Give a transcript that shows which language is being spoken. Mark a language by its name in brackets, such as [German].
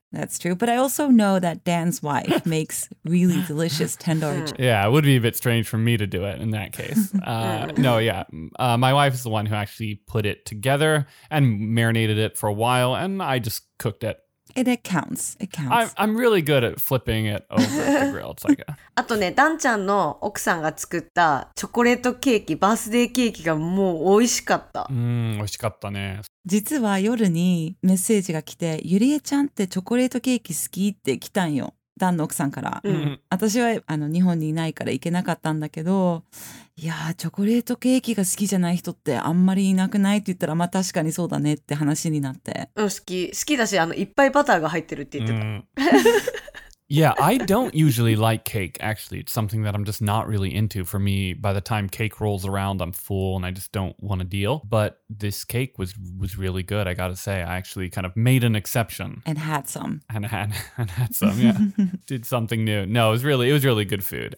[English] That's true, but I also know that Dan's wife makes really delicious tandoori chicken. Yeah, it would be a bit strange for me to do it in that case. no, yeah, my wife is the one who actually put it together and marinated it for a while, and I just cooked it. It counts. It counts. I'm really good at flipping it over the grill. It's like a... [Japanese] あとね、ダンちゃんの奥さんが作ったチョコレートケーキ、バースデーケーキがもう美味しかった。美味しかったね。実は夜にメッセージが来て、ゆりえちゃんってチョコレートケーキ好きって来たんよ。ダンの奥さんから。私はあの日本にいないから行けなかったんだけど、いやーチョコレートケーキが好きじゃない人ってあんまりいなくないって言ったら、まあ確かにそうだねって話になって、うん、好き好きだし、あのいっぱいバターが入ってるって言ってた、 [English] Yeah, I don't usually like cake, actually. It's something that I'm just not really into. For me, by the time cake rolls around, I'm full and I just don't want to deal. But this cake was really good, I gotta say. I actually kind of made an exception. And had some. And had some, yeah. Did something new. No, it was really good food.